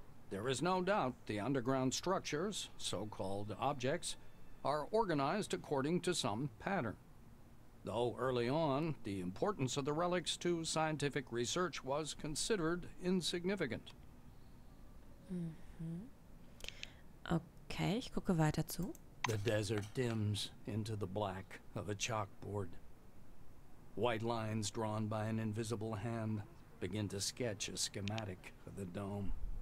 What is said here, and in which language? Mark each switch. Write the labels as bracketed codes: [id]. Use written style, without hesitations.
[en] There is no doubt the underground structures, so-called objects, are organized according to some pattern. Though early on, the importance of the relics to scientific research was considered insignificant. Mm-hmm. [de] Okay, ich gucke weiter zu. [en] The desert dims into the black of a chalkboard. White lines drawn by an invisible hand begin to sketch a schematic of the dome.